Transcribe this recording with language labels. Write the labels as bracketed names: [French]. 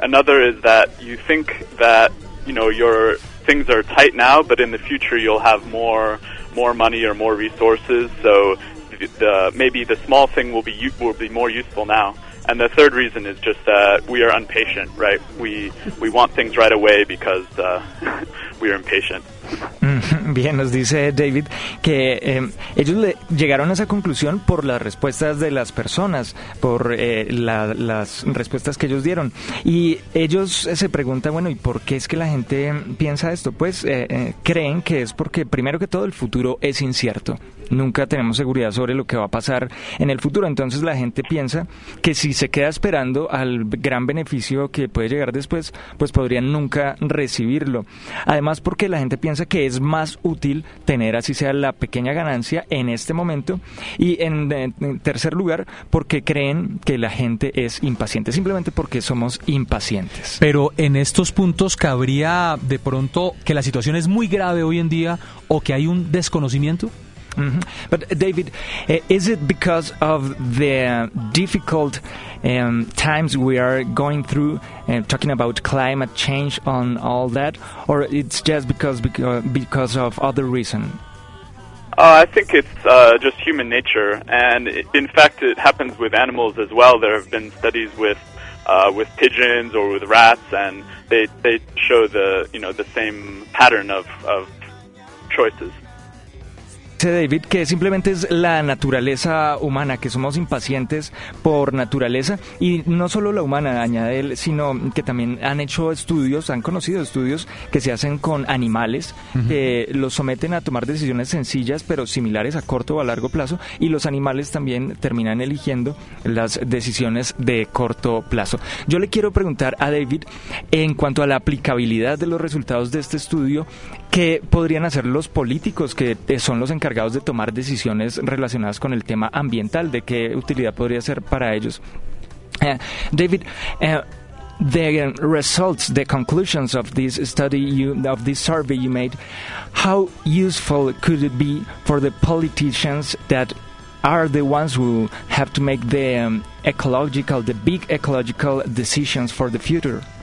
[English] Another is that you think that, you know, your things are tight now, but in the future you'll have more money or more resources, so maybe the small thing will be more useful now. And the third reason is just that we are impatient, right? We want things right away because we are impatient. [Spanish] Bien, nos dice David que ellos llegaron a esa conclusión por las respuestas de las personas, por las respuestas que ellos dieron. Y ellos se preguntan, bueno, ¿y por qué es que la gente piensa esto? Pues creen que es porque, primero que todo, el futuro es incierto. nunca tenemos seguridad sobre lo que va a pasar en el futuro. Entonces la gente piensa que si se queda esperando al gran beneficio que puede llegar después, pues podría nunca recibirlo. Además, porque la gente piensa que es más útil tener así sea la pequeña ganancia en este momento. Y en tercer lugar, porque creen que la gente es impaciente, simplemente porque somos impacientes. Pero en estos puntos cabría de pronto que la situación es muy grave hoy en día o que hay un desconocimiento. [English] But David, is it because of the difficult times we are going through, talking about climate change and all that, or it's just because of other reason? I think it's just human nature, and in fact, it happens with animals as well. There have been studies with pigeons or with rats, and they show the same pattern of choices. [Spanish] Dice David que simplemente es la naturaleza humana, que somos impacientes por naturaleza, y no solo la humana, añade él, sino que también han hecho estudios, han conocido estudios que se hacen con animales, que los someten a tomar decisiones sencillas pero similares a corto o a largo plazo, y los animales también terminan eligiendo las decisiones de corto plazo. Yo le quiero preguntar a David, en cuanto a la aplicabilidad de los resultados de este estudio, ¿qué podrían hacer los políticos que son los encargados de tomar decisiones relacionadas con el tema ambiental? ¿De qué utilidad podría ser para ellos? [English] David, the results, the conclusions of this study, of this survey you made, how useful could it be for the politicians that are the ones who have to make the ecological, the big ecological decisions for the future?